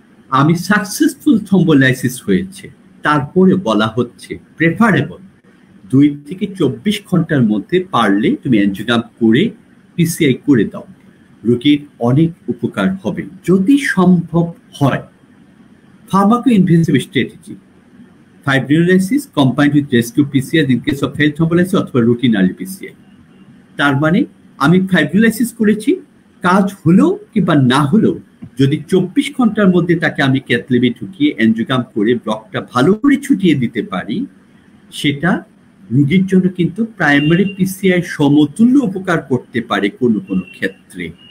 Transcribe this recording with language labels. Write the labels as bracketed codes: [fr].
[bn] আমি successful thrombolysis হয়েছে তারপরে বলা হচ্ছে প্রেফারেবল 2 থেকে 24 ঘন্টার মধ্যে পারলে তুমি অ্যান্টিগ্রাম করে PCI করে দাও, রুগীর অনেক উপকার হবে, যদি সম্ভব হয় pharmaco invasive strategy, [en] fibrinolysis combined with rescue PCI in case of failed thrombolysis or routine early PCI. [bn] তার মানে আমি ফাইব্রিলাইসিস করেছি, কাজ হলো কিংবা না হলো যদি 24 ঘন্টার মধ্যে তাকে আমি ক্যাথলিভে ঢুকিয়ে অ্যানজিওগ্রাম করে ব্লকটা ভালো করে ছুটিয়ে দিতে পারি, সেটা রোগীর জন্য কিন্তু প্রাইমারি পিসিআই সমতুল্য উপকার করতে পারে কোনো কোনো ক্ষেত্রে।